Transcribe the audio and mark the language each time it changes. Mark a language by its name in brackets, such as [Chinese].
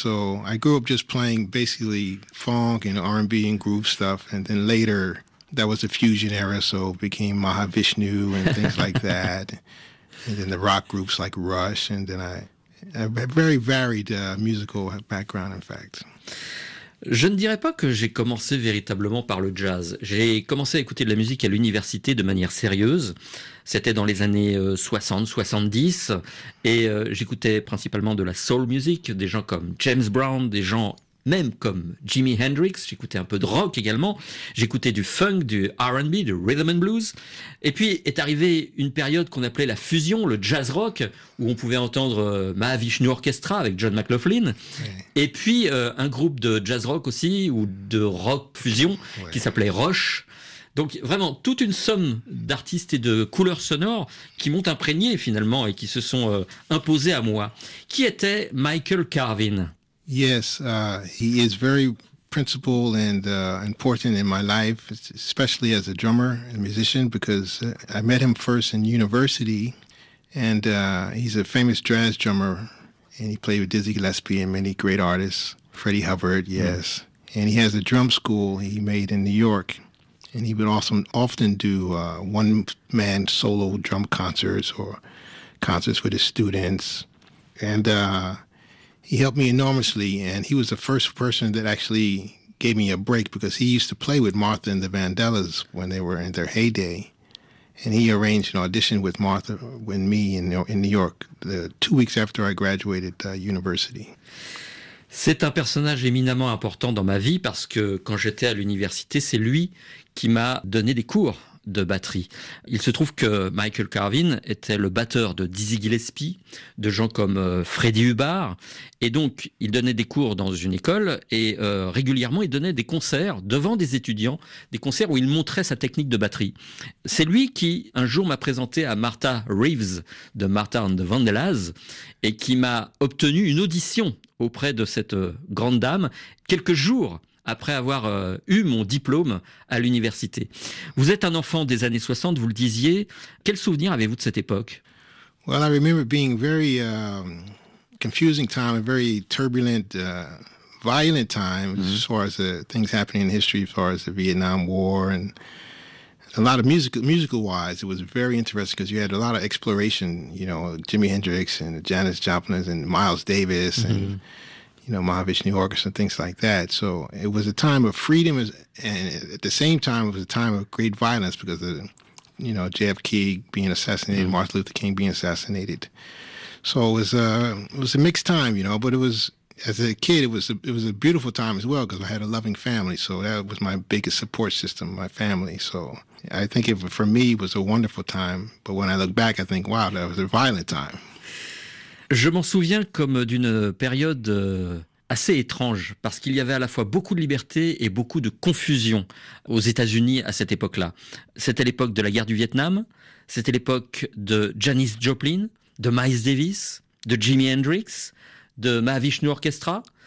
[English] So I grew up just playing basically funk and R&B and groove stuff, and then later that was the fusion era, so it became Mahavishnu and things like that. And then the rock groups like Rush, and then a very varied musical background, in fact. [French] Je ne dirais pas que j'ai commencé véritablement par le jazz. J'ai commencé à écouter de la musique à l'université de manière sérieuse. C'était dans les années 60-70 et j'écoutais principalement de la soul music, des gens comme James Brown, des gens même comme Jimi Hendrix, j'écoutais un peu de rock également, j'écoutais du funk, du R&B, du rhythm and blues. Et puis est arrivée une période qu'on appelait la fusion, le jazz rock, où on pouvait entendre Mahavishnu Orchestra avec John McLaughlin. Ouais. Et puis un groupe de jazz rock aussi, ou de rock fusion, ouais, qui s'appelait Rush. Donc vraiment toute une somme d'artistes et de couleurs sonores qui m'ont imprégné finalement et qui se sont imposés à moi. Qui était Michael Carvin? [English] Yes, he is very principal and important in my life, especially as a drummer and musician, because I met him first in university, and he's a famous jazz drummer, and he played with Dizzy Gillespie and many great artists, Freddie Hubbard, yes, and he has a drum school he made in New York, and he would often do one-man solo drum concerts or concerts with his students, and he helped me enormously, and he was the first person that actually gave me a break, because he used to play with Martha and the Vandellas when they were in their heyday. And he arranged an audition with Martha and me in New York, 2 weeks after I graduated university. [French] C'est un personnage éminemment important dans ma vie, parce que quand j'étais à l'université, c'est lui qui m'a donné des cours de batterie. Il se trouve que Michael Carvin était le batteur de Dizzy Gillespie, de gens comme Freddie Hubbard, et donc il donnait des cours dans une école et régulièrement il donnait des concerts devant des étudiants, des concerts où il montrait sa technique de batterie. C'est lui qui un jour m'a présenté à Martha Reeves de Martha and the Vandellas et qui m'a obtenu une audition auprès de cette grande dame quelques jours après avoir eu mon diplôme à l'université. Vous êtes un enfant des années 60, vous le disiez. Quel souvenir avez-vous de cette époque? [English] Well, I remember being very confusing time, a very turbulent, violent time, as far as the things happening in history, as far as the Vietnam War, and a lot of musical-wise, it was very interesting, because you had a lot of exploration, you know, Jimi Hendrix and Janis Joplin and Miles Davis, and you know, Mahavishnu Orchestra, things like that. So it was a time of freedom, and at the same time, it was a time of great violence because of, you know, JFK being assassinated, Martin Luther King being assassinated. So it was a mixed time, you know. But it was, as a kid, it was a beautiful time as well, because I had a loving family. So that was my biggest support system, my family. So I think it, for me, it was a wonderful time. But when I look back, I think, wow, that was a violent time. [French] Je m'en souviens comme d'une période assez étrange, parce qu'il y avait à la fois beaucoup de liberté et beaucoup de confusion aux États-Unis à cette époque-là. C'était l'époque de la guerre du Vietnam, c'était l'époque de Janis Joplin, de Miles Davis, de Jimi Hendrix, de Mahavishnu Orchestra.